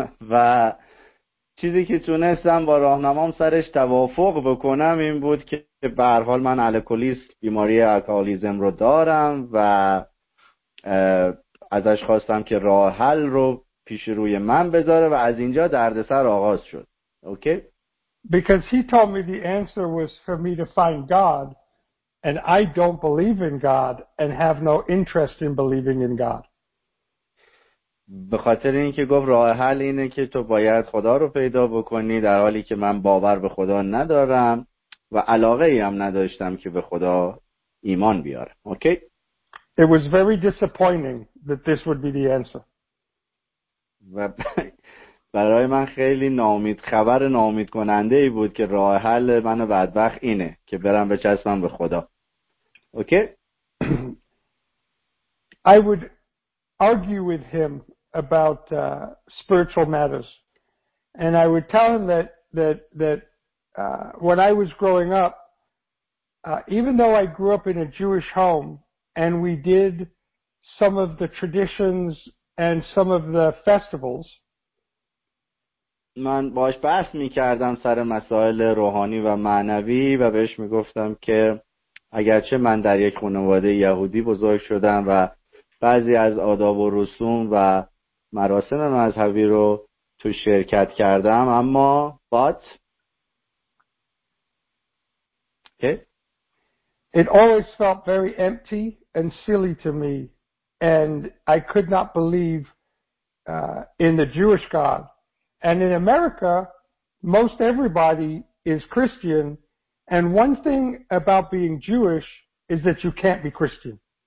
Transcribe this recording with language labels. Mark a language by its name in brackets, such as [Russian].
[Persian] و چیزی که تونستم با راهنمام سرش توافق بکنم این بود که به هر حال من الکلیست بیماری الکلیزم رو دارم و ازش خواستم که راه حل رو پیش روی من بذاره و از اینجا دردسر آغاز شد. اوکی؟ [English] Because he told me the answer was for me to find God. And I don't believe in God and have no interest in believing in God. [Persian] به خاطر اینکه گفت راه حل اینه که تو باید خدا رو پیدا بکنی در حالی که من باور به خدا ندارم و علاقه ای هم نداشتم که به خدا ایمان بیارم. اوکی؟ [English] It was very disappointing that this would be the answer. [Persian] و برای من خیلی ناامید خبر ناامید کننده ای بود که راه حل من بدبخت اینه که برم بچسبم به خدا. اوکی؟ [English] I would argue with him about spiritual matters and I would tell him that when I was growing up even though I grew up in a Jewish home and we did some of the traditions and some of the festivals [Persian] من باش بحث می کردم سر مسائل روحانی و معنوی و بهش می گفتم که اگرچه من در یک خانواده یهودی بزرگ شدم و بعضی از آداب و رسوم و مراسم مذهبی رو تو شرکت کردم اما [English] but okay. It always felt very empty and silly to me and I could not believe in the Jewish God. And in America, most everybody is Christian, and one thing about being Jewish is that you can't be Christian.